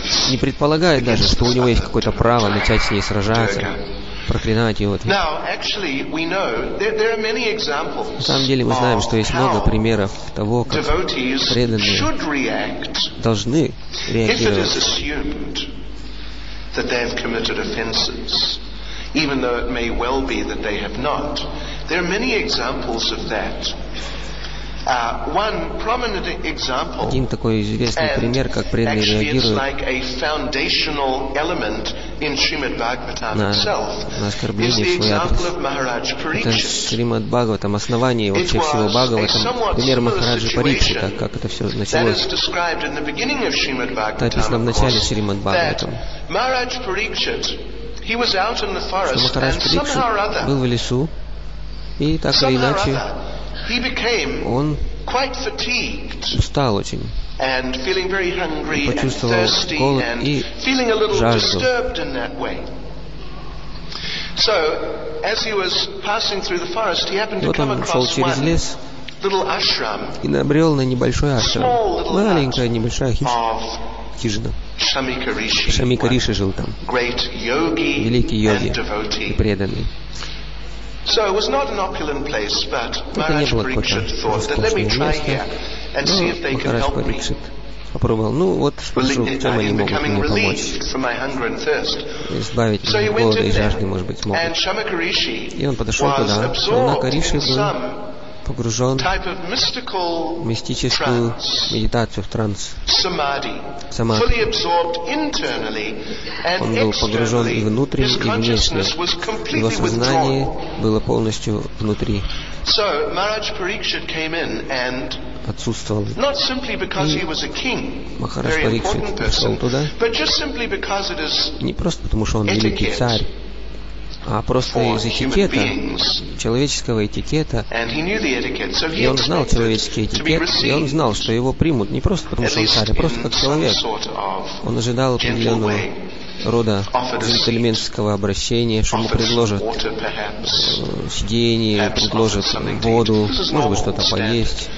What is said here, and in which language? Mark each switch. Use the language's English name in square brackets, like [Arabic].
[Russian] не предполагает даже, что у него есть какое-то право начать с ней сражаться. [English] Now, actually, we know there are many examples. [Russian] На самом деле мы знаем, что есть много примеров того, как преданные должны реагировать. Один такой известный пример, как преданные реагируют. [English] In Srimad Bhagavatam itself is the example of Maharaj Parikshit. [Russian] Srimad Bhagavatam, основание вообще всего Бхагавата, пример Махараджи Парикшита, как это все началось. [English] That is described in the beginning of Srimad Bhagavatam. That is described in the Maharaj Parikshit, he was out in the forest and somehow or other, he became quite fatigued. [Russian] Устал очень. [English] And feeling very hungry and thirsty and feeling a little disturbed in that way. So, as he was passing through the forest, he happened to come across one little ashram, small little hut of Shamika Rishi, great yogi and devotee. So it was not an opulent place, but Maharaj Parikshit thought that let me try here and see if they can help me. [Russian] Попробовал. Ну вот, спрошу, в чем они могут мне помочь. Избавить от голода и жажды, может быть, могут. И он подошел туда. Шамака Риши был погружен в мистическую медитацию, в транс. Самадхи. Он был погружен и внутренне, и внешне. Его сознание было полностью внутри. [English] So Maharaj Parikshit came in and not simply because he was a king, very important person, but just simply because it is etiquette [Russian] а просто из этикета, человеческого этикета. И он знал человеческий этикет, и он знал, что его примут не просто потому, что он царь, а просто как человек. Он ожидал определенного рода джентльменского обращения, что ему предложат сиденье, предложат воду, может быть, что-то поесть.